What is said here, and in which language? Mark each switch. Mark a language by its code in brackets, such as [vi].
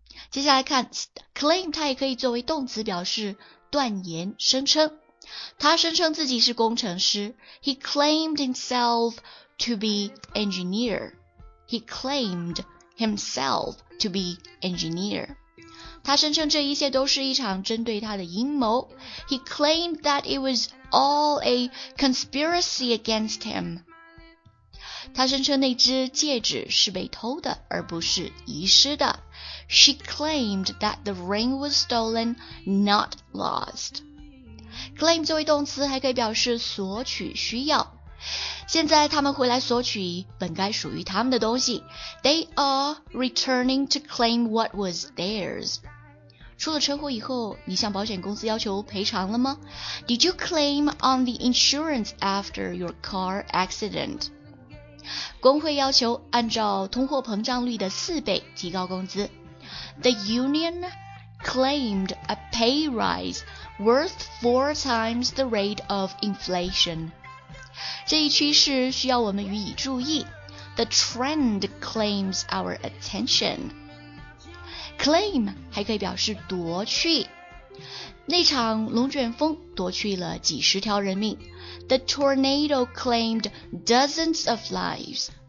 [zh] 接下来看 claim, 它也可以作为动词表示断言、声称。他声称自己是工程师。 [en] He claimed himself to be engineer. He claimed himself to be engineer. [zh] 他声称这一切都是一场针对他的阴谋。 [en] He claimed that it was all a conspiracy against him. [zh] 他声称那只戒指是被偷的而不是遗失的。 [en] She claimed that the ring was stolen, not lost. [zh] Claim 作为动词还可以表示索取需要。现在他们回来索取本该属于他们的东西。 [en] They are returning to claim what was theirs. [zh] 出了车祸以后，你向保险公司要求赔偿了吗？ [en] Did you claim on the insurance after your car accident? [zh] 工会要求按照通货膨胀率的四倍提高工资。 [en] The union claimed a pay rise worth four times the rate of inflation. [zh] 这一趋势需要我们予以注意。 [en] The trend claims our attention. [zh] Claim 还可以表示夺去。那场龙卷风夺去了几十条人命。 [en] The tornado claimed dozens of lives.